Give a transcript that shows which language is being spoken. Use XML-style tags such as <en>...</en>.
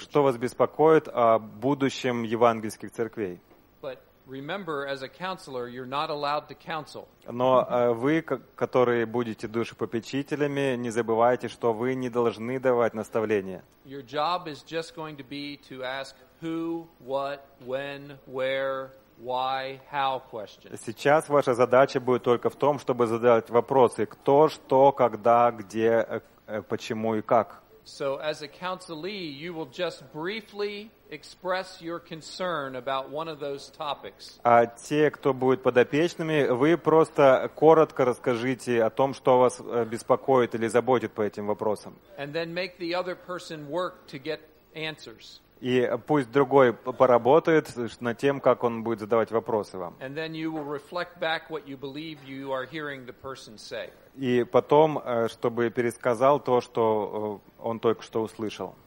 <ru>Что вас беспокоит о будущем евангельских церквей?</ru> <en>But remember, as a counselor, you're not allowed to counsel.</en> <ru>Но вы, которые будете душепопечителями, не забывайте, что вы не должны давать наставления.</ru> <en>Your job is just going to be to ask who, what, when, where, why, how questions.</en> <ru>Сейчас ваша задача будет только в том, чтобы задавать вопросы: кто, что, когда, где, почему и как.</ru> <en>So as a counselee, you will just briefly express your concern about one of those topics.</en> <ru>А те, кто будет подопечными, вы просто коротко расскажите о том, что вас беспокоит или заботит по этим вопросам.</ru> <en>And then make the other person work to get answers.</en> <ru>И пусть другой поработает над тем, как он будет задавать вопросы вам.</ru> <en>And then you will reflect back what you believe you are hearing the person say.</en> <ru>И потом, чтобы пересказал то, что он только что услышал.</ru>